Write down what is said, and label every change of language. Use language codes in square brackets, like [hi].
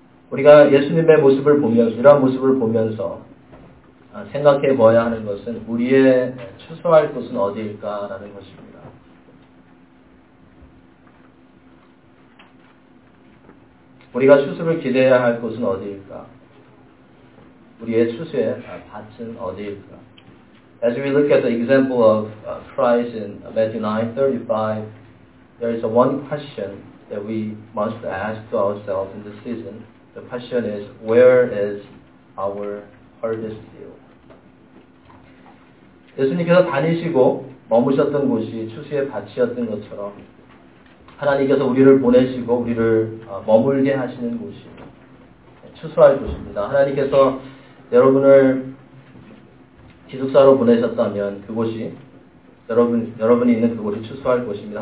[ko] 우리가 예수님의 모습을 보면서, 이러한 모습을 보면서 생각해 봐야 하는 것은 우리의 최소할 곳은 어디일까라는 것입니다. 우리가 추수를 기대해야 할 곳은 어디일까? 우리의 추수의 밭은 어디일까? [en] As we look at the example of Christ in Matthew 9:35, there is one question that we must ask to ourselves in this season. The question is, where is our harvest field? [ko] 예수님께서 다니시고 머무셨던 곳이 추수의 밭이었던 것처럼 하나님께서 우리를 보내시고 우리를 머물게 하시는 곳이 추수할 곳입니다. 하나님께서 여러분을 기숙사로 보내셨다면 그곳이 여러분이 있는 그곳이 추수할 곳입니다.